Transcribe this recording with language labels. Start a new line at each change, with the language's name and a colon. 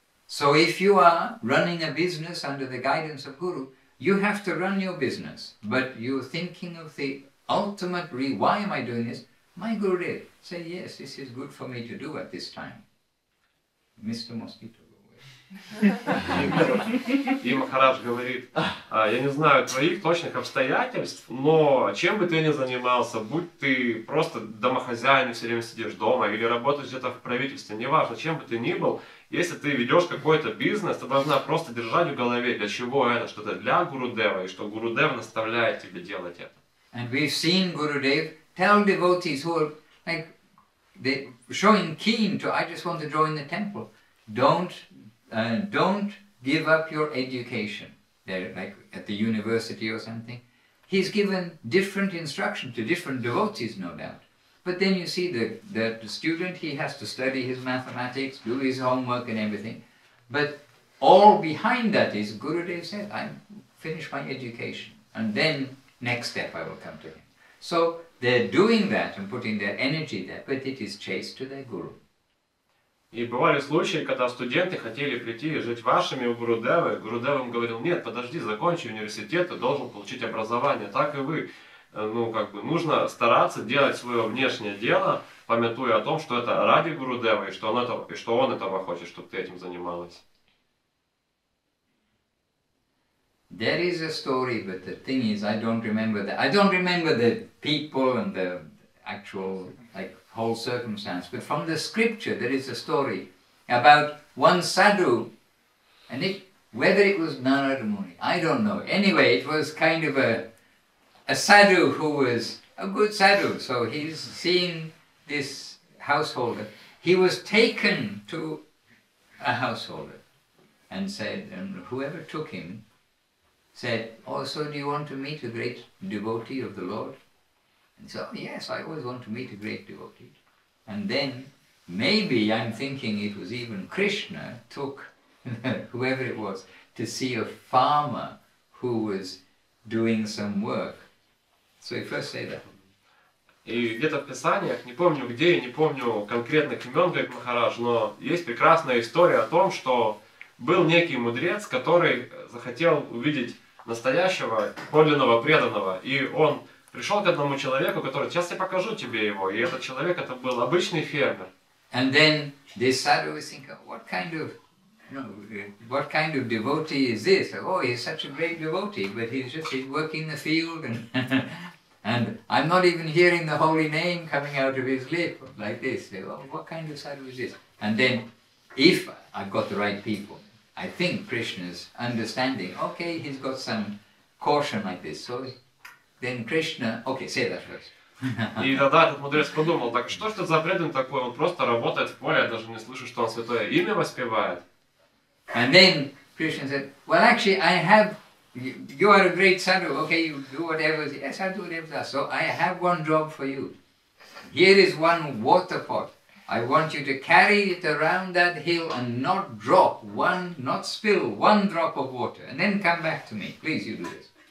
English: So if you are running a business under the guidance of Guru, you have to run your business, but you're thinking of the ultimate reason, why am I doing this? My Gurudev, say yes, this is good for me to do at this time. Mr. Mosquito.
Russian: И Махарадж говорит, я не знаю твоих точных обстоятельств, но чем бы ты ни занимался, будь ты просто домохозяин и все время сидишь дома, или работаешь где-то в правительстве, неважно, чем бы ты ни был, если ты ведешь какой-то бизнес, ты должна просто держать в голове, для чего это, что это для Гурудева, и что Гурудев наставляет тебе делать это.
English: And we've seen Gurudev tell devotees who are like, showing keen to, I just want to join the temple, don't give up your education. They're like at the university or something. He's given different instruction to different devotees, no doubt. But then you see the student, he has to study his mathematics, do his homework and everything. But all behind that is Gurudev said, I finished my education. And then next step I will come to him. So they're doing that and putting their energy there, but it is chased to their guru.
Russian: И бывали случаи, когда студенты хотели прийти и жить вашими у Гурудевы. Гурудев им говорил, нет, подожди, закончи университет, ты должен получить образование. Так и вы. Ну, как бы, нужно стараться делать свое внешнее дело, памятуя о том, что это ради Гурудева, и что он этого хочет, чтобы ты этим занималась.
English: There is a story, but the thing is, I don't remember the people and the actual, like, whole circumstance, but from the scripture there is a story about one sadhu, and it, whether it was Narada Muni, I don't know. Anyway, it was kind of a sadhu who was a good sadhu, so he's seeing this householder. He was taken to a householder and said, and whoever took him said, oh, so do you want to meet a great devotee of the Lord? So, yes, I always want to meet a great devotee. And then, maybe, I'm thinking it was even Krishna took whoever it was to see a farmer who was doing some work. So he first said that.
Russian: И где-то в Писаниях, не помню где, не помню конкретных имен, говорит Махарадж, но есть прекрасная история о том, что был некий мудрец, который захотел увидеть настоящего, подлинного, преданного, и он пришел к одному человеку, который, сейчас я покажу тебе его. И этот человек, это был обычный фермер.
English: And then this sadhu was thinking, what kind of devotee is this? Oh, he's such a great devotee, but he's working the field and I'm not even hearing the holy name coming out of his lip like this. Say, oh, what kind of sadhu is this? And then, if I've got the right people, I think Krishna's understanding, okay, he's got some caution like this, so then Krishna, okay, say that first.
Russian: И тогда этот мудрец подумал, так что ж это за преданный такой, он просто работает в поле, я даже не слышу, что он святое имя воспевает.
English: And then Krishna said, well, actually, I have, you are a great sadhu, okay, you do whatever, yes, I do whatever, so I have one job for you. Here is one water pot. I want you to carry it around that hill and not drop one, not spill one drop of water, and then come back to me. Please, you do this.